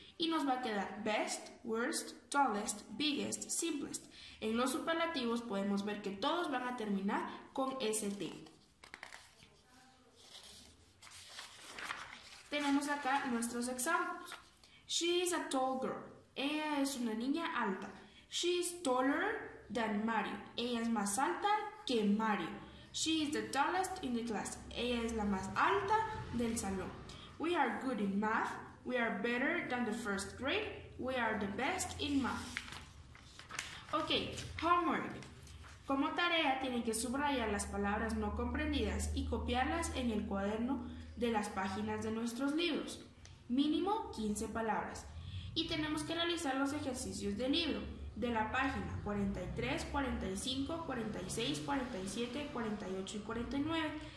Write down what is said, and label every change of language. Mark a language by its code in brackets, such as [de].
[es] Y nos va a quedar [en] best, worst, tallest, biggest, simplest. [es] En los superlativos podemos ver que todos van a terminar con st. Tenemos acá nuestros ejemplos. [en] She is a tall girl. [es] Ella es una niña alta. [en] She is taller than Mario. [es] Ella es más alta que Mario. [en] She is the tallest in the class. [es] Ella es la más alta del salón. [en] We are good in math. We are better than the first grade. We are the best in math. Ok, homework. [es] Como tarea tienen que subrayar las palabras no comprendidas y copiarlas en el cuaderno de las páginas de nuestros libros. Mínimo 15 palabras. Y tenemos que realizar los ejercicios del libro. De la página 43, 45, 46, 47, 48 y 49.